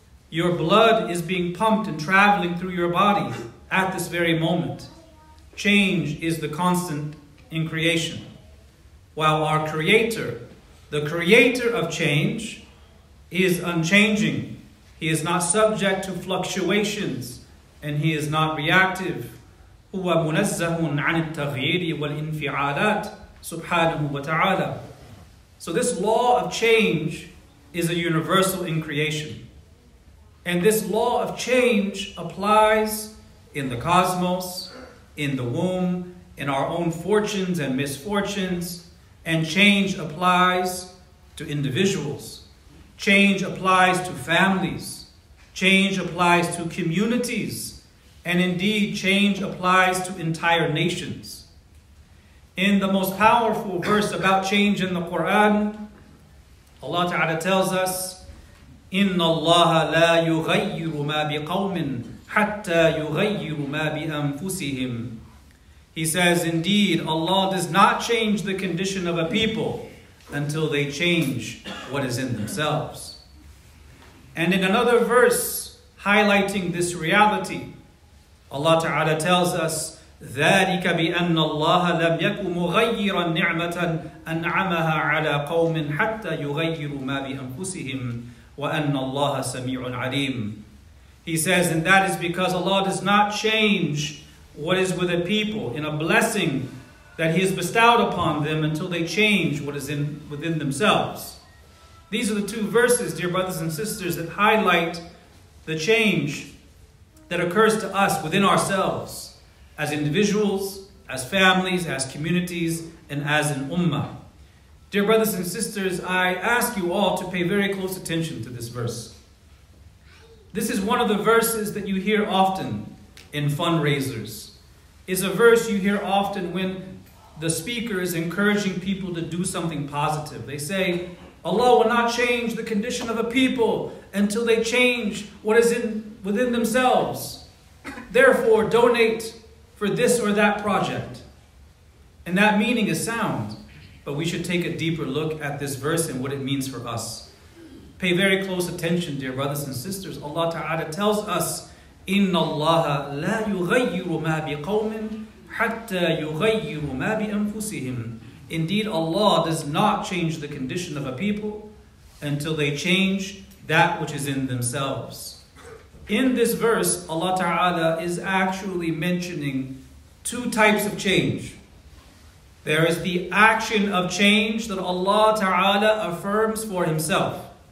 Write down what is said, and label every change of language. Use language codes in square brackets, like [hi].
[en] Your blood is being pumped and traveling through your body at this very moment. Change is the constant in creation. While our Creator, the Creator of change, is unchanging. He is not subject to fluctuations, and He is not reactive. [ar] هو منزه عن التغيير والانفعالات سبحانه وتعالى. [en] So this law of change is a universal in creation. And this law of change applies in the cosmos, in the womb, in our own fortunes and misfortunes. And change applies to individuals. Change applies to families. Change applies to communities. And indeed, change applies to entire nations. In the most powerful verse about change in the Quran, Allah Ta'ala tells us, [ar] إِنَّ اللَّهَ لَا يُغَيِّرُ مَا بِقَوْمٍ حَتَّى يُغَيِّرُ مَا بِأَنفُسِهِمْ. [en] He says, indeed, Allah does not change the condition of a people until they change what is in themselves. And in another verse highlighting this reality, Allah Ta'ala tells us, [ar] ذَٰلِكَ بِأَنَّ اللَّهَ لَمْ يَكُ مُغَيِّرًا نِعْمَةً أَنْعَمَهَا عَلَىٰ قَوْمٍ حَتَّى يُغَيِّرُ مَا بِأَنفُسِهِمْ وَأَنَّ اللَّهَ سَمِيعٌ عَلِيمٌ. [en] He says, and that is because Allah does not change what is with a people in a blessing that He has bestowed upon them until they change what is within themselves. These are the two verses, dear brothers and sisters, that highlight the change that occurs to us within ourselves as individuals, as families, as communities, and as an ummah. Dear brothers and sisters, I ask you all to pay very close attention to this verse. This is one of the verses that you hear often in fundraisers. It's a verse you hear often when the speaker is encouraging people to do something positive. They say, Allah will not change the condition of a people until they change what is within themselves. Therefore, donate for this or that project. And that meaning is sound, but we should take a deeper look at this verse and what it means for us. Pay very close attention, dear brothers and sisters. Allah Ta'ala tells us, [ar] إِنَّ اللَّهَ لَا يُغَيِّرُ مَا بِقَوْمٍ حَتَّى يُغَيِّرُ مَا بِأَنفُسِهِمْ. [en] Indeed, Allah does not change the condition of a people until they change that which is in themselves. In this verse, Allah Ta'ala is actually mentioning two types of change. There is the action of change that Allah Ta'ala affirms for Himself.